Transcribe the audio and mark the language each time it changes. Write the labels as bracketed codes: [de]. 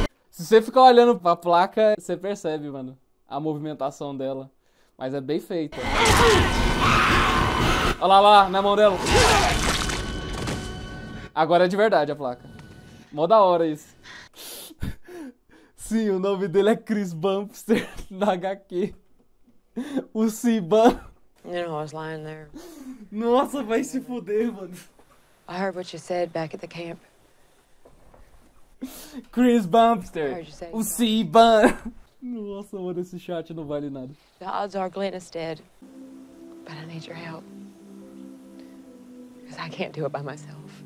[pt] Se você ficar olhando pra placa, você percebe, mano, a movimentação dela. Mas é bem feita. Olha lá, na mão dela. Agora é de verdade a placa. Mó da hora isso. Sim, o nome dele é Chris Bumpster, da HQ. O Siban. [en] You know, I was lying there. [pt] Nossa, vai se fuder, mano. [en] I heard what you said back at the camp. [pt] Chris Bumpster. O Siban. Nossa, mano, esse chat não vale nada. [en] The odds are Glenn is dead, but I need your help. Because I can't do it by myself.